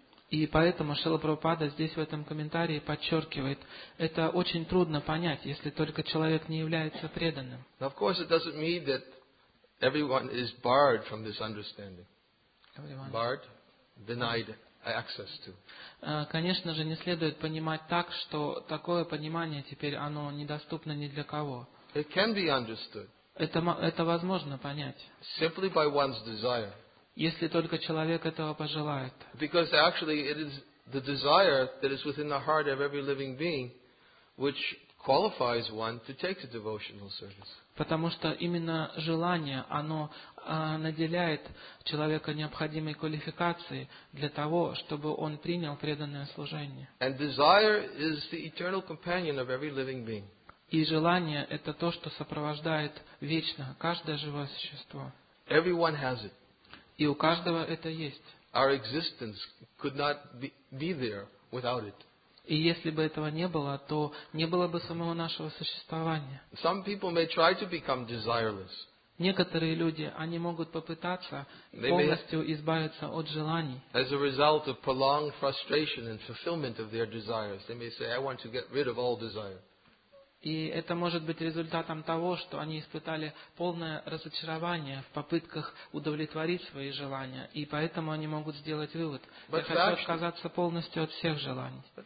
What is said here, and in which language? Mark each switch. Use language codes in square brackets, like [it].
[ru] И поэтому Шрила Прабхупада здесь в этом комментарии подчеркивает, это очень трудно понять, если только человек не является преданным. [en] Of course, it doesn't mean that everyone is barred from this understanding. Barred? Denied access to. [ru] Конечно же, не следует понимать так, что такое понимание теперь оно недоступно ни для кого. [en] It can be understood. [ru] Это возможно понять. [en] Simply by one's desire. [ru] Если только человек этого пожелает. [en] Because actually it is the desire that is within the heart of every living being which qualifies one to take the devotional service. [ru] Потому что именно желание, оно наделяет человека необходимой квалификацией для того, чтобы он принял преданное служение. [en] And desire is the eternal companion of every living being. [ru] И желание – это то, что сопровождает вечно каждое живое существо. [en] Everyone has it. [ru] И у каждого это есть. [en] Our existence could not be there without it. [ru] И если бы этого не было, то не было бы самого нашего существования. [en] Some people may try to become desireless. [ru] Некоторые люди, они могут попытаться полностью избавиться от желаний. [en] As a result of prolonged frustration and fulfillment of their desires, they may say, "I want to get rid of all desire." [ru] И это может быть результатом того, что они испытали полное разочарование в попытках удовлетворить свои желания, и поэтому они могут сделать вывод: я хочу отказаться полностью от всех желаний.